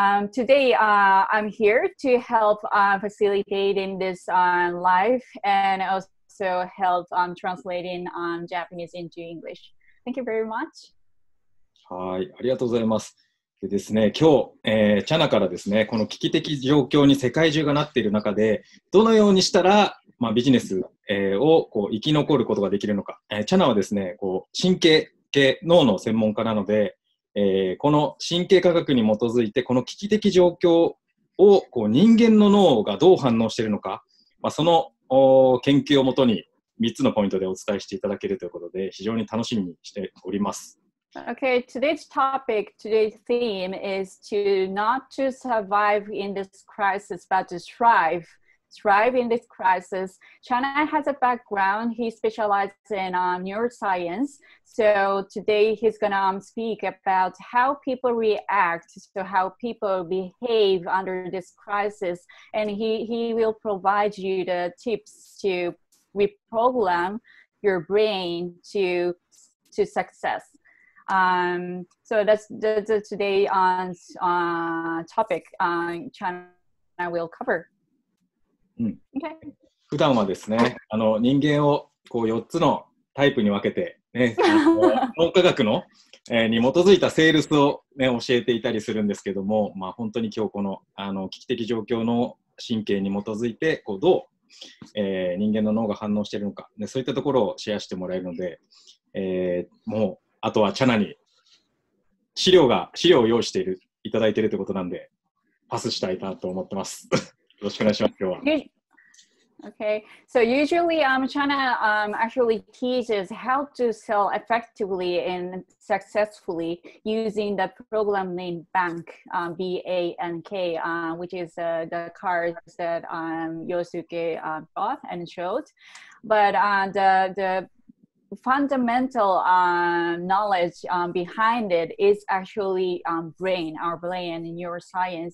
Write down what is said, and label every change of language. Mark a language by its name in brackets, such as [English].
[English] Today, I'm here to help facilitate in this live and also help translating Japanese into English. Thank you very much. [Japanese] はい、ありがとうございます。でですね、今日、チャナからですね、この危機的状況に世界中がなっている中で、どのようにしたら、まあ、ビジネス、をこう生き残ることができるのか、チャナはですね、こう神経系脳の専門家なので、この神経科学に基づいて、この危機的状況をこう人間の脳がどう反応しているのか、まあ、その研究をもとに3つのポイントでお伝えしていただけるということで、非常に楽しみにしております。 [English] Okay, today's theme is to not to survive in this crisis, but to thrive. Thrive in this crisis. China has a background. He specializes in neuroscience. So today he's going to speak about how people react, so how people behave under this crisis. And he will provide you the tips to reprogram your brain to success. So that's today on topic China will cover.、 Okay. [Japanese] 普段はですね、人間をこう4つのタイプに分けて、ね、脳科学の、に基づいたセールスを、ね、教えていたりするんですけども、まあ、本当に今日この危機的状況の神経に基づいてこうどう、人間の脳が反応しているのか、ね、そういったところをシェアしてもらえるので、もうあとはチャナに資料を用意しているいただいているということなんでパスしたいなと思ってます。よろしくお願いします。今日は。 [English] Okay, so usually China actually teaches how to sell effectively and successfully using the program named Bank BANK, which is the cards that Yosuke bought and showed, but the fundamental knowledge behind it is actually our brain and neuroscience.